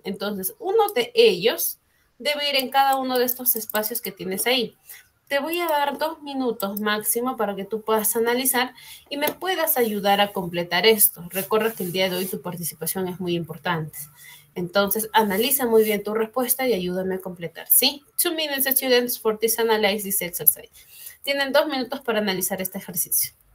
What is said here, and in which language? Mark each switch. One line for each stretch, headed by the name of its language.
Spanish: Entonces, uno de ellos debe ir en cada uno de estos espacios que tienes ahí. Te voy a dar 2 minutos máximo para que tú puedas analizar y me puedas ayudar a completar esto. Recuerda que el día de hoy tu participación es muy importante. Entonces, analiza muy bien tu respuesta y ayúdame a completar, ¿sí?
English: 2 minutes, students, for this analysis, this exercise.
Spanish: Tienen 2 minutos para analizar este ejercicio.